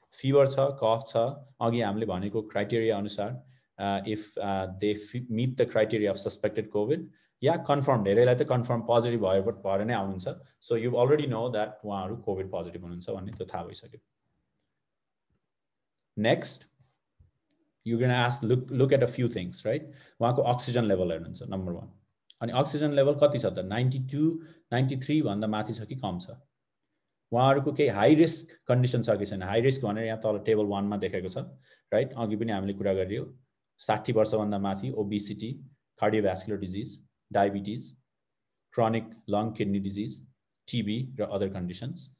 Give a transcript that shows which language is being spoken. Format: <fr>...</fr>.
<ne>Fever छ, कफ छ, अघि हामीले भनेको क्राइटेरिया अनुसार</ne> <en>if they meet the criteria of suspected COVID</en> <ne>yeah confirm, धेरैलाई त कन्फर्म पोजिटिभ भयो बट भएर नै आउनुहुन्छ,</ne> <en>so you already know that</en> <ne>उहाँहरू कोभिड पोजिटिभ हुनुहुन्छ भन्ने त्यो थाहा भइसक्यो.</ne> <en>Next you gonna ask look at a few things right.</en> <ne>उहाँको अक्सिजन लेभल हेर्नुहुन्छ नम्बर वान. अनि अक्सिजन लेभल कति छ त, 92-93 भन्दा माथि छ कि कम छ, उहाँहरूको केही हाई रिस्क कन्डिसन छ कि छैन. हाई रिस्क भनेर यहाँ तल टेबल वानमा देखेको छ राइट, अघि पनि हामीले कुरा गरियो, 60 वर्षभन्दा माथि, obesity, कार्डियोभ्यास्कुलर disease, diabetes, chronic long kidney disease, TB र अदर कन्डिसन्स.</ne>